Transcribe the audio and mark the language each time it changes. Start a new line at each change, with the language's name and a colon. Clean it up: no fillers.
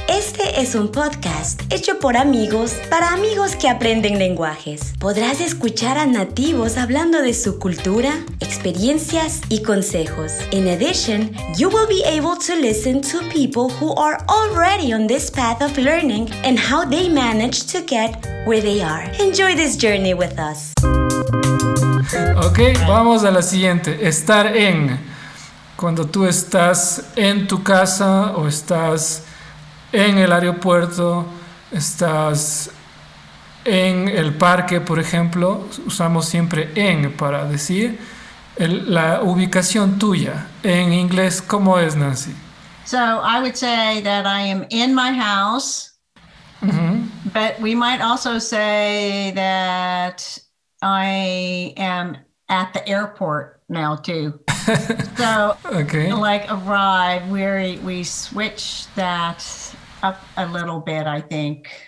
Spanish: Este es un podcast hecho por amigos para amigos que aprenden lenguajes. Podrás escuchar a nativos hablando de su cultura, experiencias y consejos.
English: In addition, you will be able to listen to people who are already on this path of learning and how they managed to get where they are. Enjoy this journey with us.
Spanish: Ok, vamos a la siguiente. Estar en... Cuando tú estás en tu casa o estás en el aeropuerto, estás en el parque, por ejemplo, usamos siempre en para decir la ubicación tuya. En inglés, ¿cómo es, Nancy?
English: So, I would say that I am in my house. Mm-hmm. But we might also say that I am at the airport now, too. So, okay. Like arrive, we switch that up a little bit, I think.